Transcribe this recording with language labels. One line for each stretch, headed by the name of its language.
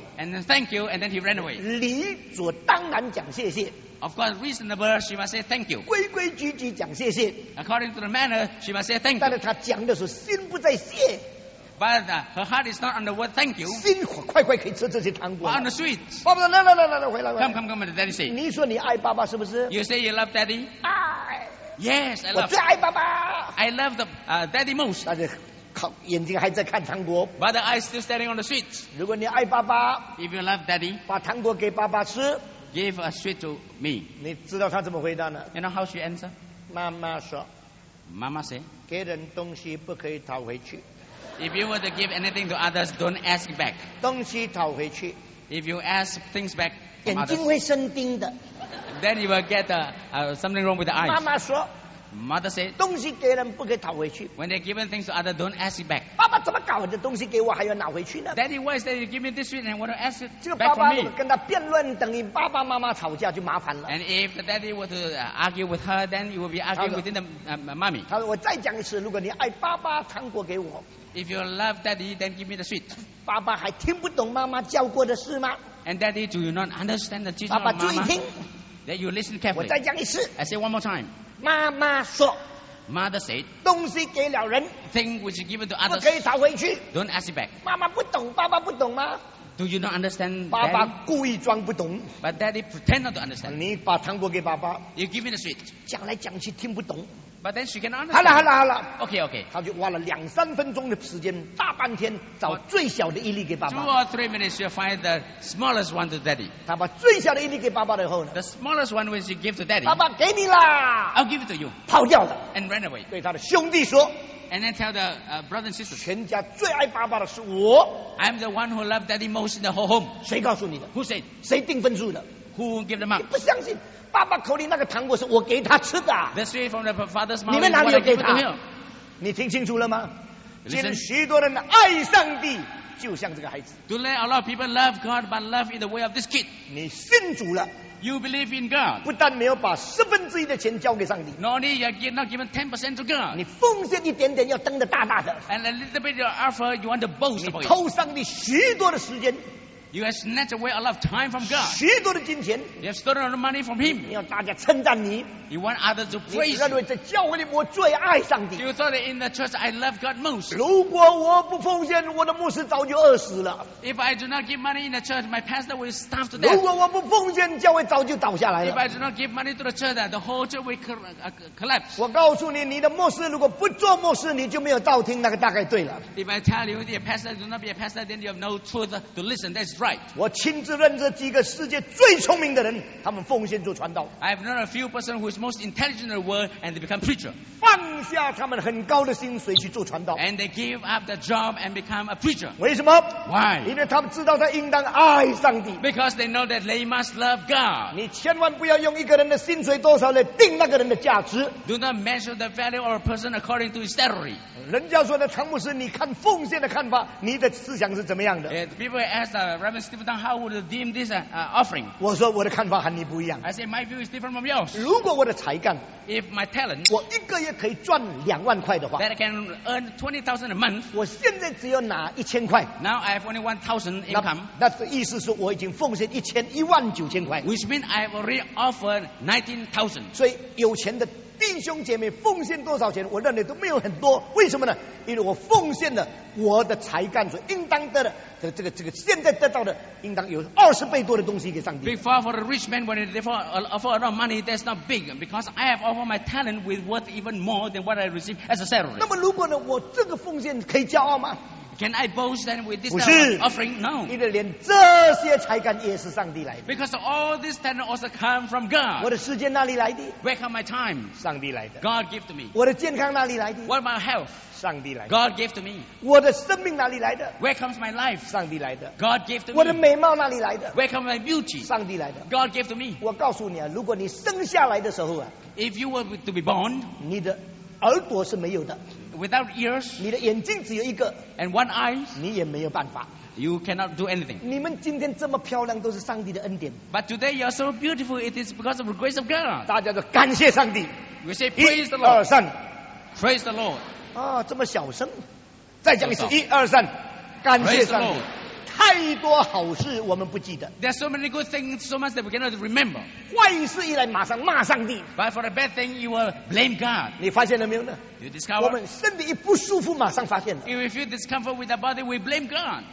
English: And then thank you, and then he ran away.
Chinese: 理所当然讲谢谢。
English: Of course, reasonable, she must say thank you.
Chinese: 规规矩矩讲谢谢。
English: According to the manner, she must say thank you.
Chinese: 但是他讲的时候心不在谢。
English: But her heart is not on the word thank you.
Chinese: 心快快可以吃这些糖果。
English: On the sweet.
Chinese: 爸爸说来来来来来回来。
English: Come, daddy say.
Chinese: 你说你爱爸爸是不是
English: ？You say you love daddy.
Chinese: 爱。
English: Yes, I love.
Chinese: 我最爱爸爸。
English: I love the daddy most.
Chinese: 但是。眼睛还在看糖果
English: But the eyes still standing on the sweet.
Chinese: 如果你爱爸爸
English: If you love daddy,
Chinese: 把糖果给爸爸吃
English: Give a sweet to me.
Chinese: 你知道他怎么回答呢
English: You know how she answer?
Chinese: 妈妈说
English: Mama say,
Chinese: 给人东西不可以讨回去
English: If you were to give anything to others, don't ask back.
Chinese: 东西讨回去
English: If you ask things back,
Chinese: 眼睛会生钉的
English: Then you will get something wrong with the eyes.
Chinese: 妈妈说
English: Mother said,
Chinese: 东西给人不可以讨回去。
English: When they're given things to others, don't ask it back.
Chinese: 爸爸怎么搞的？东西给我还要拿回去呢
English: ？Daddy, why is that you give me this sweet and want to ask it back from me?
Chinese: 这个爸爸跟他辩论，等于爸爸妈妈吵架就麻烦了。
English: And if the daddy were to argue with her, then you will be arguing within the mommy.
Chinese: 他说：“我再讲一次，如果你爱爸爸，糖果给我。
English: If you love daddy, then give me the sweet.
Chinese: 爸爸还听不懂妈妈教过的事吗
English: ？And daddy, do you not understand the teaching of mama?
Chinese: 爸爸注意听
English: ，that you listen carefully.
Chinese: 我再讲一次。
English: I say one more time.
Chinese: 妈妈说
English: ，Mother said，
Chinese: 东西给了人
English: ，thing which is given to others，
Chinese: 不可以讨回去
English: ，don't ask it back。
Chinese: 妈妈不懂，爸爸不懂吗
English: Do you not understand?
Chinese: 爸爸故意装不懂。
English: But daddy pretend not to understand.
Chinese: 你把糖果给爸爸。
English: You give me the sweet.
Chinese: 讲来讲去听不懂。
English: But then she can understand.
Chinese: 好了好了好了。
English: Okay, okay.
Chinese: 他就花了两三分钟的时间，大半天找最小的一粒给爸爸。
English: Two or three minutes, you find the smallest one to daddy.
Chinese: 他把最小的一粒给爸爸以后呢
English: ？The smallest one when she gave to daddy.
Chinese: 爸爸给你啦。
English: I'll give it to you.
Chinese: 跑掉了。
English: And ran away.
Chinese: 对他的兄弟说。
English: And then tell the brothers and sisters.
Chinese: 全家最爱爸爸的是我。
English: I'm the one who loved daddy most in the whole home.
Chinese: 谁告诉你的
English: ？Who said?
Chinese: 谁定分数的
English: ？Who gave the mark?
Chinese: 你不相信。爸爸口里那个糖果是我给他吃的、啊。
English: The sweet from the father's mouth.
Chinese: 你们哪里有给他？你听清楚了吗？今天许多人爱上帝，就像这个孩子。
English: Do let a lot of people love God, but love in the way of this kid.
Chinese: 你信主了。
English: You believe in God.
Chinese: 不但没有把十分之一的钱交给上帝。
English: Not only you're not given 10% to God.
Chinese: 你奉献一点点要登得大大的。
English: And a little bit of effort you want to boast about.
Chinese: 你偷上帝许多的时间。
English: You have snatched away a lot of time from God.
Chinese: 许多的金钱。
English: You have stolen a lot of money from Him.
Chinese: 你要大家称赞你。
English: You want others to praise.
Chinese: 你认为在教会里我最爱上帝。
English: You thought in the church I love God most.
Chinese: 如果我不奉献，我的牧师早就饿死了。
English: If I do not give money in the church, my pastor will starve to death.
Chinese: 如果我不奉献，教会早就倒下来了。
English: If I do not give money to the church, the whole church will collapse.
Chinese: 我告诉你，你的牧师如果不做牧师，你就没有道听，那个大概对了。
English: If I tell you your pastor do not be a pastor, then you have no truth to listen. That's right.
Chinese: 我亲自认识几个世界最聪明的人，他们奉献做传道。
English: I have known a few persons who is most intelligent in the world and they become preacher.
Chinese: 放下他们很高的薪水去做传道。
English: And they give up the job and become a preacher.
Chinese: 为什么
English: ？Why？
Chinese: 因为他们知道他应当爱上帝。
English: Because they know that they must love God.
Chinese: 你千万不要用一个人的薪水多少来定那个人的价值。
English: Do not measure the value of a person according to his salary.
Chinese: 人家说的唐牧师，你看奉献的看法，你的思想是怎么样的
English: ？People ask the Reverend. Steve Dunn, how would you deem this offering?
Chinese: 我说我的看法和你不一样。
English: I say my view is different from yours.
Chinese: 如果我的才干
English: if my talent,
Chinese: 我一个月可以赚20,000的话
English: that I can earn 20,000 a month.
Chinese: 我现在只有拿1,000.
English: Now I have only 1,000 income. That's the
Chinese: 意思是我已经奉献19,000.
English: Which means I have already offered 19,000.
Chinese: 所以有钱的弟兄姐妹奉献多少钱我认为都没有很多为什么呢因为我奉献了我的才干所应当得的这个现在得到的应当有20倍多的东西给上帝
English: Big far for a rich man when they offer a lot of money that's not big because I have offered my talent with worth even more than what I receive as a salary
Chinese: 那么如果呢我这个奉献可以骄傲吗
English: Can I boast then with this type of offering? No.
Chinese: 因为连这些才干也是上帝来的。
English: Because all this talent also come from God.
Chinese: 我的时间哪里来的
English: ？Where come my time?
Chinese: 上帝来的。
English: God give to me.
Chinese: 我的健康哪里来的
English: ？What my health?
Chinese: 上帝来的。
English: God give to me.
Chinese: 我的生命哪里来的
English: ？Where comes my life?
Chinese: 上帝来的。
English: God give to me.
Chinese: 我的美貌哪里来的
English: ？Where comes my beauty?
Chinese: 上帝来的。
English: God give to me.
Chinese: 我告诉你啊，如果你生下来的时候啊
English: ，If you were to be born,
Chinese: 你的耳朵是没有的。
English: Without ears,
Chinese: 你的眼睛只有一个
English: and one eye,
Chinese: 你也没有办法
English: you cannot do anything.
Chinese: 你们今天这么漂亮都是上帝的恩典
English: But today you are so beautiful, it is because of the grace of God.
Chinese: 大家都感谢上帝
English: We say praise the Lord.
Chinese: 一二三
English: Praise the Lord.
Chinese: 啊，这么小声，再讲一次，一二三，感谢上帝。太多好事我们不记得。
English: There are so many good things, so much that we cannot remember.
Chinese: 坏事一来马上骂上帝。
English: But for a bad thing, you will blame God.
Chinese: 你发现了没有呢
English: ？You discover.
Chinese: 我们身体一不舒服，马上发现了。
English: If we feel discomfort with the body, we blame God.